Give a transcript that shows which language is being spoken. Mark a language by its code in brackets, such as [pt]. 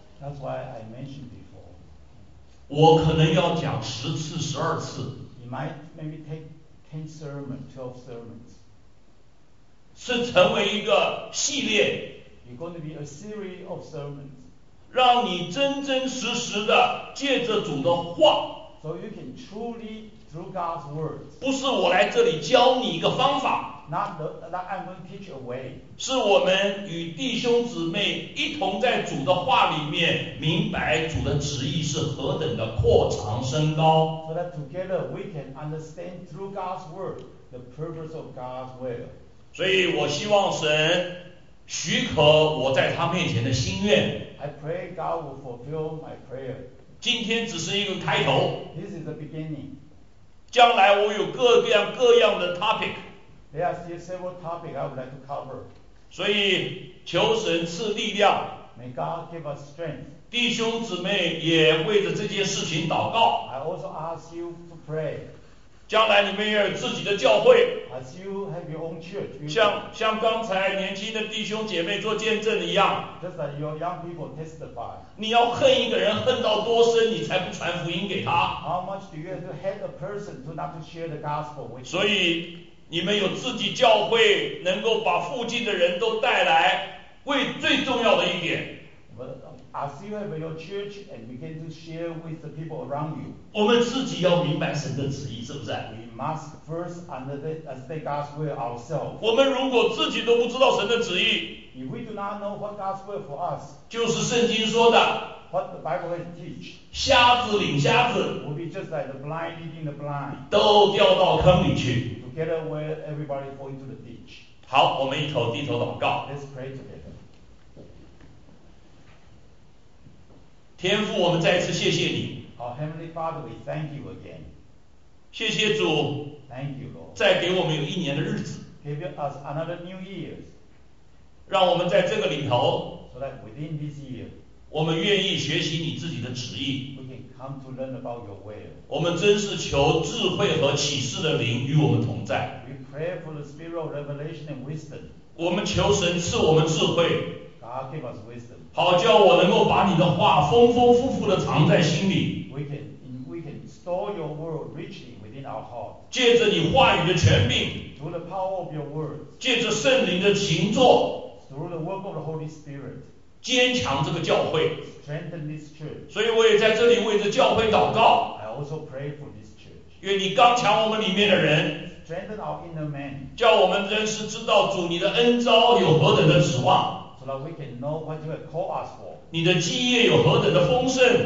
[en] That's why I mentioned before. [zh] 我可能要讲十次十二次。 [en] You might maybe take 10 sermons, 12 sermons. [zh] 是成为一个系列。 [en] You're going to be a series of sermons. [zh] 让你真真实实的借着主的话。 [en] So you can truly through God's words. [zh] 不是我来这里教你一个方法。 [en] Not I'm going to teach a way. [zh] 是我们与弟兄姊妹一同在主的话里面明白主的旨意是何等的扩长升高。 [en] So that together we can understand through God's word the purpose of God's will. [zh] 所以我希望神许可我在他面前的心愿。 [en] I pray God will fulfill my prayer. [zh] 今天只是一个开头。 [en] This is the beginning. [zh] 将来我有各样各样的 topic. [en] There are still several topics I would like to cover. [zh] 所以求神赐力量。 [en] May God give us strength. [zh] 弟兄姊妹也为着这件事情祷告。 [en] I also ask you to pray. [zh] 将来你们也有自己的教会。 [en] As you have your own church. [zh] 像刚才年轻的弟兄姐妹做见证一样。 [en] Just like your young people testify. [zh] 你要恨一个人恨到多深，你才不传福音给他。 [en] How much do you have to hate a person to not to share the gospel with? [zh] 所以。你们有自己教会能够把附近的人都带来，为最重要的一点。 [en] As you have your church and begin to share with the people around you. [zh] 我们自己要明白神的旨意，是不是？ [en] We must first understand God's will ourselves. [zh] 我们如果自己都不知道神的旨意， [en] If we do not know what God's will for us. [zh] 就是圣经说的， [en] What the Bible has teach. [zh] 瞎子领瞎子， [en] Will be just like the blind leading the blind. [zh] 都掉到坑里去。 [en] Together where everybody fall into the ditch. [zh] 好，我们一头低头祷告。 [en] Let's pray together. [zh] 天父，我们再次谢谢你。 [en] Our Heavenly Father, we thank you again. [zh] 谢谢主。 [en] Thank you, Lord. [zh] 再给我们有一年的日子。 [en] Give us another new year. [zh] 让我们在这个里头。 [en] So that within this year. [zh] 我们愿意学习你自己的旨意。 [en] Come to learn about your will. [zh] 我们真是求智慧和启示的灵与我们同在。 [en] We pray for the spirit of revelation and wisdom. [zh] 我们求神赐我们智慧。 [en] God give us wisdom. [zh] 好叫我能够把你的话丰丰富富的藏在心里。 [en] We can store your word richly within our heart. [zh] 借着你话语的权柄。 [en] Through the power of your word. [zh] 借着圣灵的行作。 [en] Through the work of the Holy Spirit. [zh] 坚强这个教会。 [en] Strengthen this church. [zh] 所以我也在这里为着教会祷告。 [en] I also pray for this church. [zh] 愿你刚强我们里面的人。 [en] Strengthen our inner man. [zh] 叫我们真实知道主你的恩召有何等的指望。 [en] So that we can know what you have called us for. [zh] 你的基业有何等的丰盛。